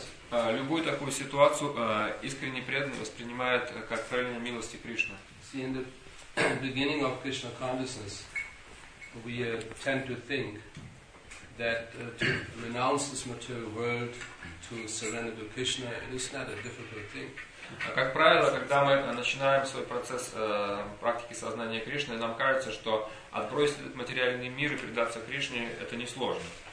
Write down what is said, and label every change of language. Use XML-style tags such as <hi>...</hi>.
<ru>Любую такую ситуацию искренне преданный воспринимает как проявление милости Кришны.</ru> <en>See, in the beginning of Krishna consciousness, we tend to think that to renounce this material world, to surrender to Krishna, it is not a difficult thing.</en> <ru>Как правило, когда мы начинаем свой процесс практики сознания Кришны, нам кажется, что отбросить этот материальный мир и предаться Кришне – это несложно.</ru>